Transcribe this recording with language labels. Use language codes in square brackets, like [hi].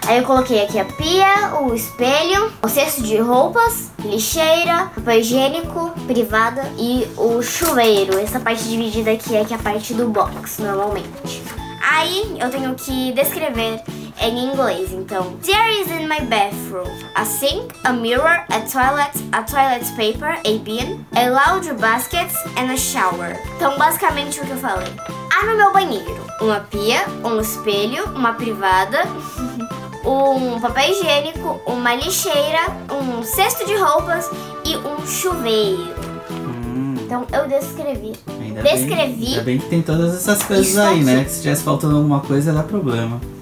[pt] Aí eu coloquei aqui a pia, o espelho, o cesto de roupas, lixeira, papel higiênico, privada e o chuveiro. Essa parte dividida aqui é que é a parte do box, normalmente. Aí eu tenho que descrever em inglês, então. [en] There is in my bathroom a sink, a mirror, a toilet paper, a bin, a laundry basket, and a shower. [pt] Então, basicamente o que eu falei. Há no meu banheiro uma pia, um espelho, uma privada, um papel higiênico, uma lixeira, um cesto de roupas e um chuveiro. Então eu descrevi. Ainda bem que tem todas essas coisas isso aí, aqui, né? Se tivesse faltando alguma coisa, ia dar problema.